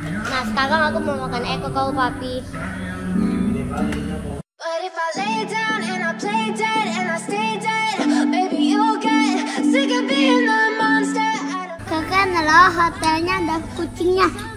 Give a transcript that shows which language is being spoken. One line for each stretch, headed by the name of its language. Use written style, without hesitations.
Indonesian: Nah, sekarang aku mau makan ekor kau, Papi.
English: But if I lay down and I play dead and I stay dead, baby you'll get sick of being the monster.
Indonesian: Kakak loh, hotelnya ada kucingnya.